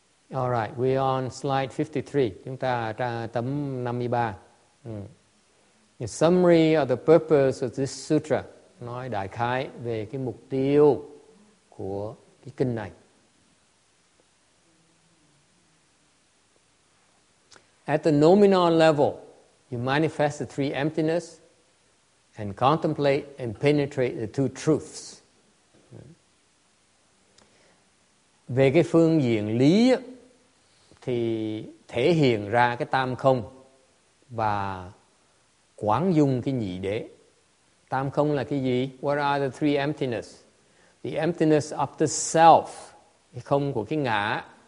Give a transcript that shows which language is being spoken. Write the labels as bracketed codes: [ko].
[en] Alright, we're on slide 53. [vi] Chúng ta tấm 53. [en] The summary of the purpose of this sutra, [vi] nói đại khái về cái mục tiêu của cái kinh này. [en] At the nominal level, you manifest the three emptiness and contemplate and penetrate the two truths. [vi] Về cái phương diện lý thì thể hiện ra cái tam không và quán dung cái nhị đế. Tam không là cái gì? [en] What are the three emptiness? The emptiness of the self, [vi] cái không của cái ngã.